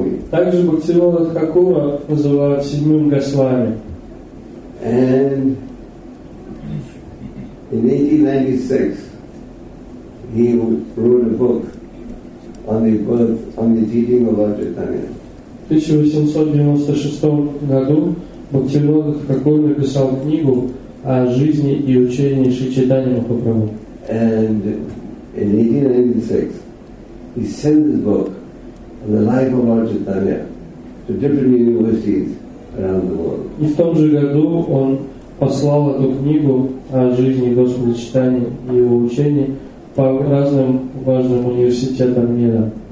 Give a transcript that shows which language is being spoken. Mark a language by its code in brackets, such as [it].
[ru] Также Бхактивинода Тхакура называют седьмым Госвами. [en] And in 1896, he wrote a book on the birth, on the teaching of Lord Chaitanya. [ru] В 1896 году Бхактивинода Тхакур написал книгу о жизни и учении Шри Чайтанья Махапрабху. [en] And in 1896, he sent this book on the life of Lord Chaitanya to different universities. [ru] И в том же году он послал эту книгу о жизни Господа Чайтаньи и его учении по разным важным университетам мира.